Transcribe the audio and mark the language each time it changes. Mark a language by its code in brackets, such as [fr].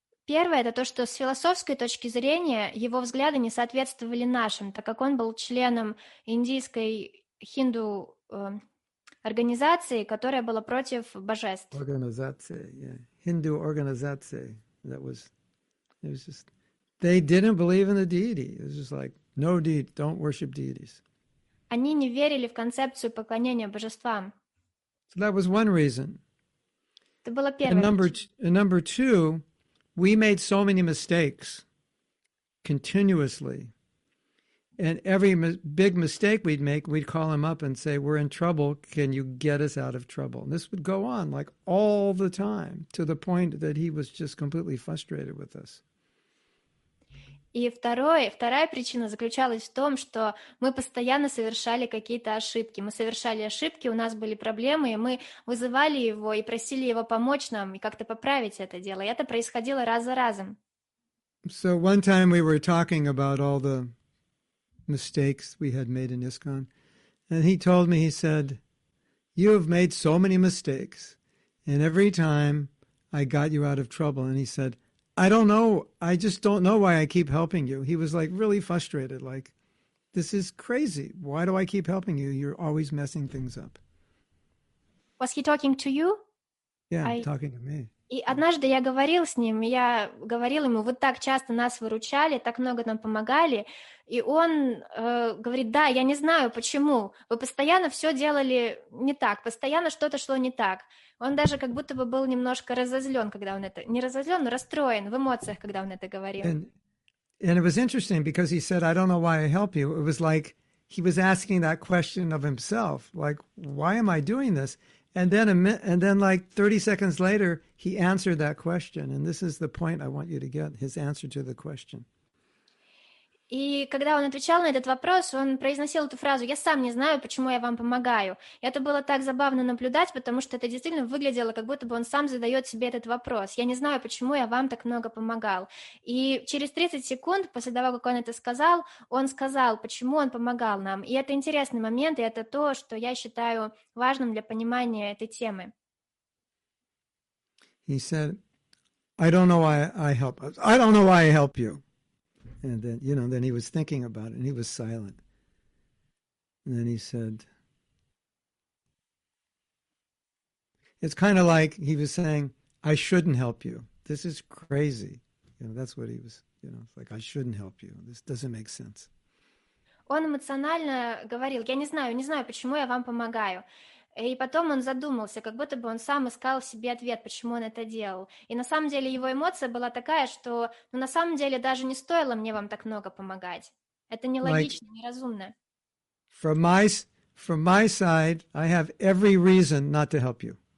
[ru] Первое – это то, что с философской точки зрения его взгляды не соответствовали нашим, так как он был членом индийской хинду организации, которая была против божеств. [en] Организация, yeah. Hindu organization. That was, it was just, they didn't believe in the deity. It was just like, no deity, don't worship deities. [ru] Они не верили в концепцию поклонения божествам. [en] So that was one reason. [ru] Это была первая причина. [en] And number two, we made so many mistakes continuously. And every big mistake we'd make, we'd call him up and say, we're in trouble. Can you get us out of trouble? And this would go on like all the time to the point that he was just completely frustrated with us. [ru] И вторая причина заключалась в том, что мы постоянно совершали какие-то ошибки. Мы совершали ошибки, у нас были проблемы, и мы вызывали его и просили его помочь нам и как-то поправить это дело. И это происходило раз за разом. [en] So one time we were talking about all the mistakes we had made in ISKCON, and he told me, he said, you have made so many mistakes, and every time I got you out of trouble, and he said, I don't know. I just don't know why I keep helping you. He was like really frustrated, like, this is crazy. Why do I keep helping you? You're always messing things up. Was he talking to you? Yeah, talking to me. [ru] И однажды я говорил с ним, я говорил ему, вы так часто нас выручали, так много нам помогали. И он говорит, да, я не знаю, почему. Вы постоянно все делали не так, постоянно что-то шло не так. Он даже как будто бы был немножко разозлен, когда он это... Не разозлен, но расстроен в эмоциях, когда он это говорил. [en] And it was interesting, because he said, I don't know why I help you. It was like he was asking that question of himself. Like, why am I doing this? And then like 30 seconds later, he answered that question. And this is the point I want you to get, his answer to the question. [ru] И когда он отвечал на этот вопрос, он произносил эту фразу, я сам не знаю, почему я вам помогаю. И это было так забавно наблюдать, потому что это действительно выглядело, как будто бы он сам задает себе этот вопрос. Я не знаю, почему я вам так много помогал. И через 30 секунд, после того, как он это сказал, он сказал, почему он помогал нам. И это интересный момент, и это то, что я считаю важным для понимания этой темы. [en] He said, I don't know why I help you. I don't know why I help you. And then, you know, then he was thinking about it, and he was silent. And then he said, it's kind of like he was saying, I shouldn't help you. This is crazy. You know, that's what he was, you know, like, I shouldn't help you. This doesn't make sense. [ru] Он эмоционально говорил, я не знаю, почему я вам помогаю. И потом он задумался, как будто бы он сам искал себе ответ, почему он это делал. И на самом деле его эмоция была такая, что ну, на самом деле даже не стоило мне вам так много помогать. Это нелогично, like, неразумно. [en] From my side, I have every reason not to help you.